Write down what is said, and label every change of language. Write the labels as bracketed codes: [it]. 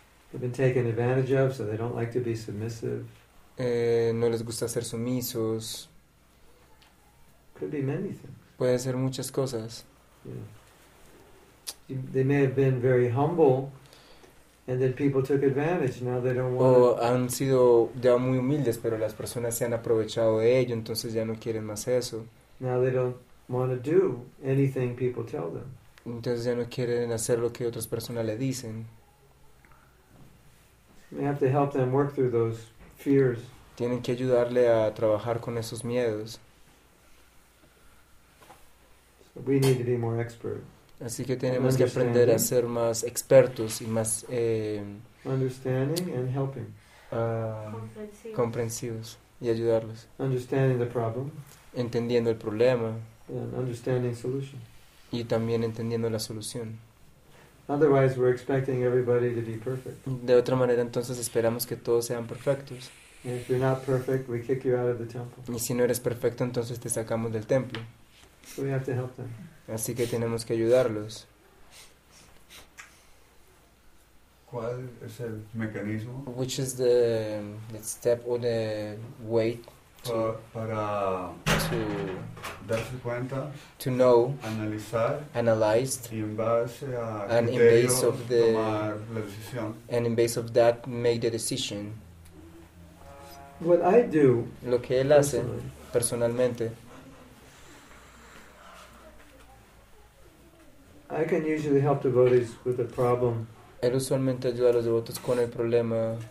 [en] They've been taken advantage of, so they don't like to be submissive. [es] No les gusta ser sumisos. [en] Could be many things. [es] Pueden ser muchas cosas. [en] Yeah. They may have been very humble, and then people took advantage. Now they don't want. [es] O han sido ya muy humildes, pero las personas se han aprovechado de ello, entonces ya no quieren más eso. [en] Now they don't want to do anything people tell them. [es] Entonces ya no quieren hacer lo que otras personas le dicen. [en] We have to help them work through those fears. [es] Tienen que ayudarle a trabajar con esos miedos. [en] So we need to be more expert. [es] Así que tenemos que aprender a ser más expertos y más [en] understanding and helping. [es] Comprensivos y ayudarlos. [en] Understanding the problem. [es] Entendiendo el problema. [en] And understanding solution. [es] Y también entendiendo la solución. [en] Otherwise, we're expecting everybody to be perfect. [es] De otra manera, entonces esperamos que todos sean perfectos. [en] And if you're not perfect, we kick you out of the temple. [es] Y si no eres perfecto, entonces te sacamos del templo. [en] So we have to help them. [es] Así que tenemos que ayudarlos. ¿Cuál es el mecanismo? [en] Which is the step or the way [es] to darse cuenta, [en] to know, [es] analizar, [en] analyzed, [es] y en base a [en] and in base of the [es] tomar la decisión. [en] And in base of that make the decision. What I do, [es] lo que él hace personalmente, [en] I can usually help devotees with a problem. [es] Él usualmente ayuda a los devotos con el problema